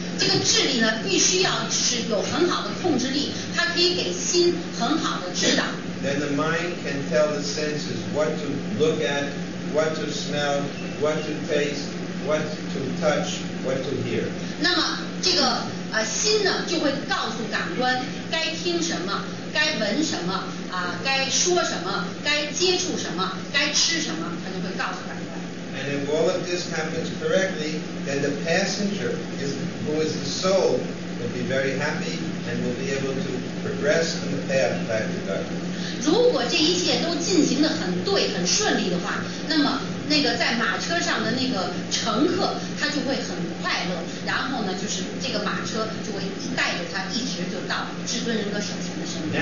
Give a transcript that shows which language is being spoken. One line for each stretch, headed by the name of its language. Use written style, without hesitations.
Chinese: 这个智力呢，必须要是有很好的控制力，它可以给心很好的指导。
English: Then the mind can tell the senses what to look at, what to smell, what to taste, what to touch, what to hear.
Chinese: 那么这个心呢，就会告诉感官该听什么，该闻什么，该说什么，该接触什么，该吃什么，它就会告诉感官。
English: And if all of this happens correctly, then the passenger who is the soul will be very happy and will be able to progress on the path back to God.
Chinese: 如果这一切都进行得很对很顺利的话，那么那个在马车上的那个乘客他就会很快乐，然后呢就是这个马车就会带着他一直就到至尊人格首相的身边。